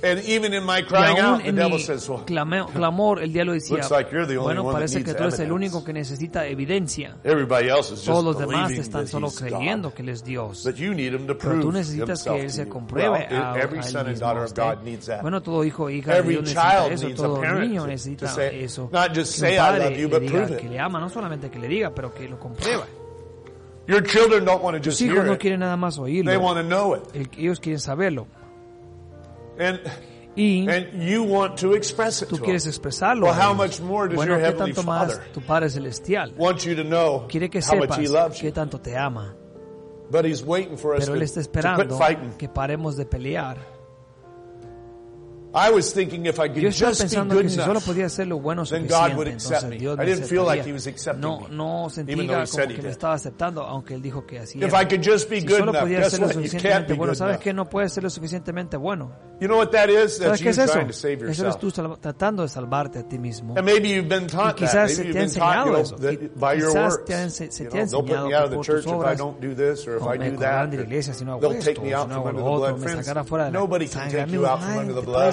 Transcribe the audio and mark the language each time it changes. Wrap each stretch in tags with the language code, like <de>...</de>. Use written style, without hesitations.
<en>And even in my crying out, the devil says, "Well,</en> <es>clamor, el diablo decía,</es> <en>looks like you're the only</en> <es>bueno,</es> <en>one</en> <es>parece</es> <en>that</en> <es>que</es> <en>needs</en> <es>tú eres el único que necesita evidencia.</es> <en>Everybody else is just</en> <es>todos los demás</es> <en>believing</en> <es>están solo creyendo que él es Dios.</es> <en>But you need him to prove</en> <es>pero tú necesitas que él se compruebe</es> <en>well, a every son and daughter of God needs that.</en> <es>Bueno, todo hijo e hija</es> <en>every</en> <es>de Dios necesita eso. Todo niño necesita eso.</es> <en>Not just say I love you, but prove it.</en> <es>Que le ama, no solamente que le diga, pero que lo compruebe.</es> <en>Your children don't want to just</en> <es>hijos</es> <en>hear</en> <es>no</es> <en>it.</en> <es>Quieren nada más oírlo.</es> <en>They want to know it.</en> <es>Ellos quieren saberlo.</es> <en>And you want to express it</en> <es>tú quieres expresarlo.</es> <en>Well, how much more does</en> <es>bueno,</es> <en>your heavenly father</en> <es>más tu padre celestial</es> <en>want you to know</en> <es>quiere que</es> <en>how</en> <es>sepas</es> <en>much he loves</en> <es>qué tanto te ama.</es> <en>But he's waiting for us</en> <es>pero él está esperando que paremos de pelear.</es> <en>I was thinking if I could</en> <es>yo</es> <en>just be good</en> <es>que</es> <en>enough,</en> <es>si solo podía hacerlo bueno</es> <en>then God would accept</en> <es>entonces,</es> <en>me.</en> <es>Dios</es> <en>I didn't feel like he was accepting</en> <es>no,</es> <en>me.</en> <es>No sentía como que did. Me estaba aceptando, aunque él dijo que así</es> <en>if</en> <es>era.</es> <en>If I could just be</en> <es>si</es> <en>good enough,</en> <es>podía</es> <en>guess what?</en> <es>Suficientemente</es> <en>you can't</en> <es>bueno,</es> <en>be good</en> <es>no puede ser lo suficientemente bueno.</es> <en>You know what that is? That's you</en> <es>es eso?</es> <en>Trying to save yourself.</en> <es>Eso es tú tratando de salvarte a ti mismo.</es> <en>And maybe you've been taught</en> <es>y quizás</es> <en>that. Maybe you've been taught you know, that by your</en> <es>quizás</es> <en>works.</en> <es>Se te ha enseñado</es> <en>you know, they'll put me out of the church if I don't do this or if I do that.</en> <es>De la iglesia, si no</es> <en>they'll</en> <es>esto,</es> <en>take me out</en> <es>si</es> <en>from</en> <es>no</es> <en>under</en> <es>otro,</es> <en>the blood.</en> <es>Sacara fuera de</es> <en>nobody</en> <es>la sangre.</es> <en>Can take</en> <es>amigo,</es> <en>you out from under the blood.</en>